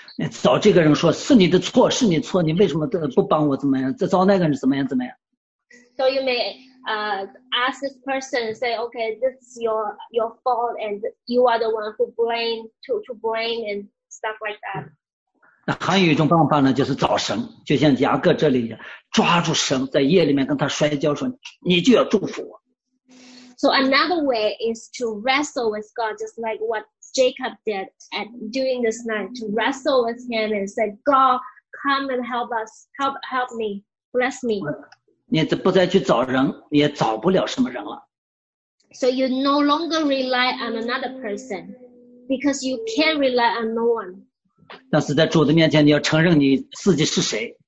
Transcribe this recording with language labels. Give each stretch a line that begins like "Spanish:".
Chinese: 找这个人说是你的错，是你错，你为什么不帮我怎么样？再找那个人怎么样怎么样
English: ？So you may. Ask this person and say, okay, this is your fault and you are the one who blame, to blame and stuff like that.
Chinese: 那还有一种方法呢，就是找神，就像雅各这里一样，抓住神，在夜里面跟他摔跤说，你就要祝福我。
English: So another way is to wrestle with God, just like what Jacob did at during this night, to wrestle with him and say, God, come and help us, help me, bless me.
Chinese: 你不再去找人，也找不了什么人了。
English: So you no longer rely on another person, because you can't rely on no one.
Chinese: 但是在主的面前，你要承认你自己是谁。